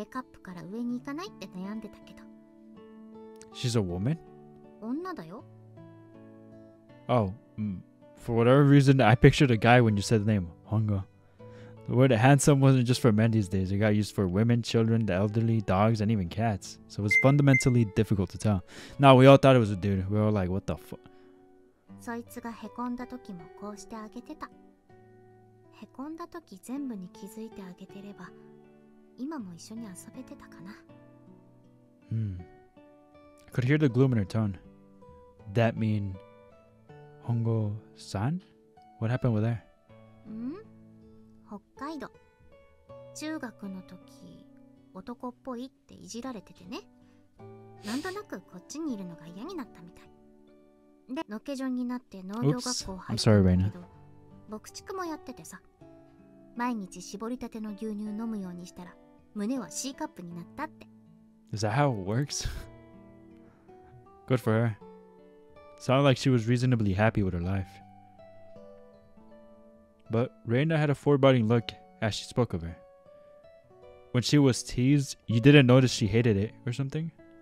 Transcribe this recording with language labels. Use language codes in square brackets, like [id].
[ja] モデルになろうとしてたくらいだったからね。長身でスラッとして。まあ本人は胸がAカップから上に行かないって悩んでたけど。 [en] She's a woman? [ja] 女だよ? [en] Oh, for whatever reason, I pictured a guy when you said the name, Hongo. The word handsome wasn't just for men these days. It got used for women, children, the elderly, dogs, and even cats. So it was fundamentally difficult to tell. Now, we all thought it was a dude. We were all like, what the fuck? [ja] そいつがへこんだ時もこうしてあげてた。へこんだ時全部に気づいてあげてれば、今も一緒に遊べてたかな? [en] I could hear the gloom in her tone. That mean Hongo-san? What happened with her? Hokkaido. [ja] 中学の時 男っぽいっていじられててね. なんとなくこっちにいるのが嫌になったみたい. で、のけじょになって農業学校入ったけど。 [en] Oops. I'm sorry, Reina. [ja] 牧畜もやっててさ。毎日絞りたての牛乳飲むようにしたら 胸はCカップになったって。 [en] Is that how it works? Good for her. Sounded like she was reasonably happy with her life. But Reina had a foreboding look as she spoke of her. When she was teased, you didn't notice she hated it or something?